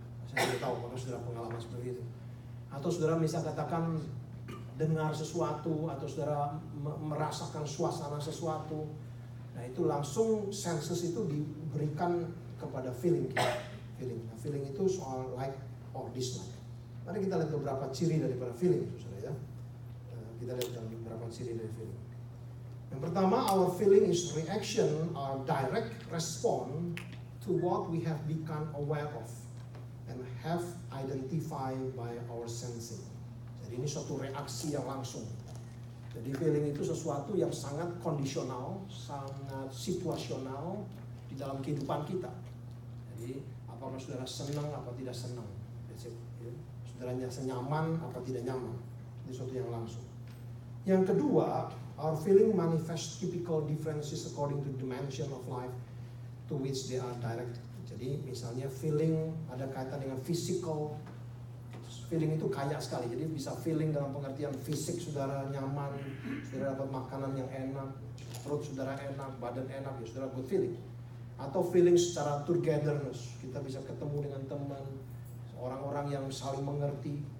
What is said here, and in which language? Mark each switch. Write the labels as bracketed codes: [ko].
[id] Saya tidak tahu apakah saudara pengalaman seperti itu. Atau saudara bisa katakan, dengar sesuatu atau saudara merasakan suasana sesuatu, nah itu langsung senses itu diberikan kepada feeling kita. Feeling, nah, feeling itu soal like or dislike. Mari kita lihat beberapa ciri daripada feeling, saudara ya. Kita lihat dalam beberapa ciri dari feeling. Yang pertama, [en] our feeling is reaction or direct response to what we have become aware of and have identified by our sensing. [id] Jadi ini suatu reaksi yang langsung. Jadi feeling itu sesuatu yang sangat kondisional, sangat situasional di dalam kehidupan kita. Jadi apakah saudara senang atau tidak senang, saudaranya senyaman atau tidak nyaman, ini suatu yang langsung. Yang kedua, [en] our feeling manifest typical differences according to dimension of life to which they are directed. [id] Jadi misalnya feeling ada kaitan dengan physical. Feeling itu kaya sekali, jadi bisa feeling dalam pengertian fisik saudara nyaman, saudara dapat makanan yang enak, perut saudara enak, badan enak, ya saudara good feeling. Atau feeling secara togetherness, kita bisa ketemu dengan teman, orang-orang yang saling mengerti.